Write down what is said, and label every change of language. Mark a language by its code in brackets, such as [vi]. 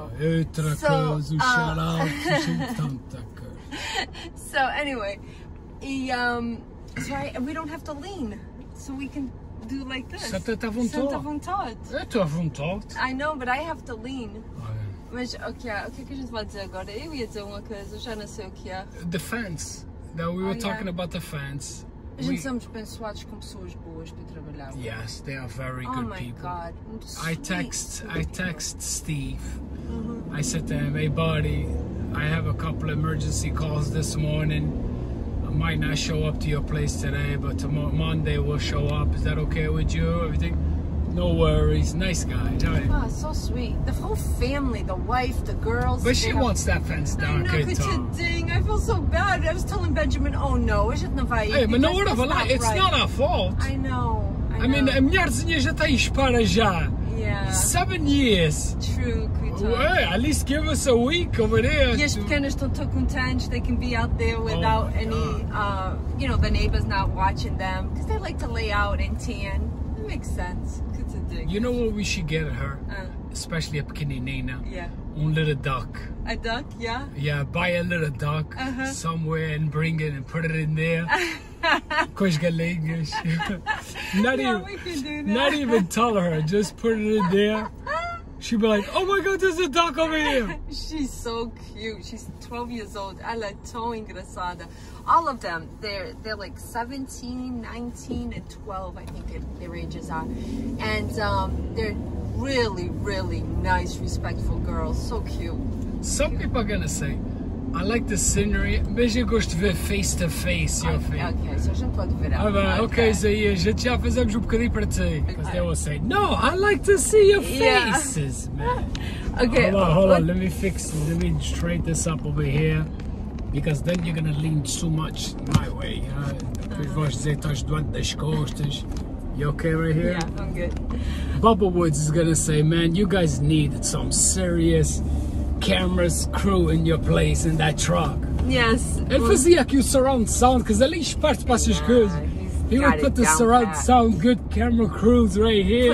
[pt] Outra coisa, o shout-out, isso é tanta coisa. [en] So, anyway, we don't have to lean, so we can do like this. [pt] Senta-te à vontade. Estou à vontade. [en] I know, but I have to lean. [pt] Mas o que é que a gente vai dizer agora? Eu ia dizer uma coisa, eu já não sei o que é. [en] The fence. Now we were talking about the fans. [pt] A gente somos abençoados com pessoas boas para trabalhar. [en] Yes, they are very good people. Oh my God, I text Steve. Uh-huh. I said to him, hey buddy, I have a couple emergency calls this morning. I might not show up to your place today, but tomorrow Monday we'll show up. Is that okay with you? Everything? No worries. Nice guy. Oh, so sweet. The whole family, the wife, the girls. But she wants that fence down. I know, good thing. I feel so bad. I was telling Benjamin, oh no, I shouldn't have invited. Hey, but no word of a lie. It's not our fault. I know. I mean, [pt] a mulherzinha já está a esperar já. [en] Yeah. 7 years. True. Hey, at least give us a week over there. [pt] Yes, pequenas estão tão contentes. [en] They can be out there without any, you know, the neighbors not watching them because they like to lay out and tan. It makes sense. You know what we should get her, especially a [es] pequeña nena? [en] Yeah. Un little duck. A duck, yeah? Yeah, buy a little duck somewhere and bring it and put it in there. [pt] Com galinhas. [en] Not even tell her, just put it in there. She'd be like, oh my God, there's a duck over here. She's so cute. She's 12 years old. [pt] Ela é tão engraçada. [en] All of them, they're like 17, 19, and 12, I think their ages are. And they're really, really nice, respectful girls. So cute. Some people are going to say, I like the scenery. [pt] Mas eu gosto de ver [en] face to face, your face. [pt] Okay, so a gente pode ver ela. Okay, Zayas, a gente já fizemos bocadinho para ti. [en] Because they will say, no, I like to see your faces, man. Okay. Hold on, let me fix this. Let me straighten this up over here. Because then you're going to lean so much my way. [pt] Depois vais dizer que estás doente das costas. [en] You okay right here? Yeah, I'm good. Bubba Woods is going to say, man, you guys need some serious cameras crew in your place in that truck. Yes. [pt] Ele fazia aqui o [en] surround sound, because at least part passes good. He would put the surround sound good camera crews right here.